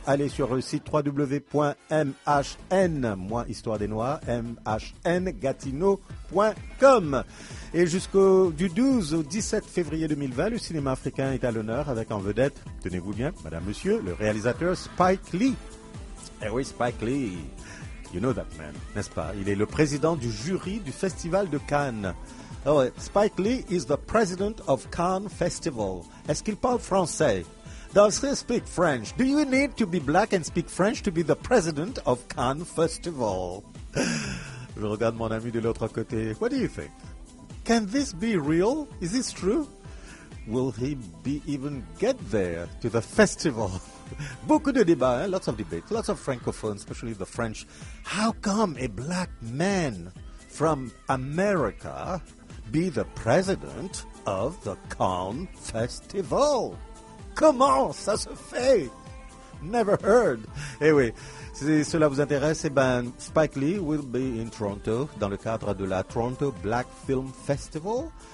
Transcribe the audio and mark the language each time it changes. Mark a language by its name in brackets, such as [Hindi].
[French] Allez sur le site www.mhn-gatineau.com. Et du 12 au 17 février 2020, le cinéma africain est à l'honneur avec en vedette, tenez-vous bien, madame, monsieur, le réalisateur Spike Lee. Eh oui, Spike Lee. [English] You know that man, [French] n'est-ce pas? Il est le président du jury du Festival de Cannes. [English] Oh, Spike Lee is the president of Cannes Festival. [French] Est-ce qu'il parle français? [English] Does he speak French? Do you need to be black and speak French to be the president of Cannes Festival? [French] Je regarde mon ami de l'autre côté. [English] What do you think? Can this be real? Is this true? Will he be even get there to the festival? [French] Beaucoup de débats, hein? [English] Lots of debates, lots of francophones, especially the French. How come a black man from America be the president of the Cannes Festival? [French] Comment ça se fait? [English] Never heard. [French] Anyway, si cela vous intéresse, [English] Spike Lee will be in Toronto [French] dans le cadre de la Toronto Black Film Festival.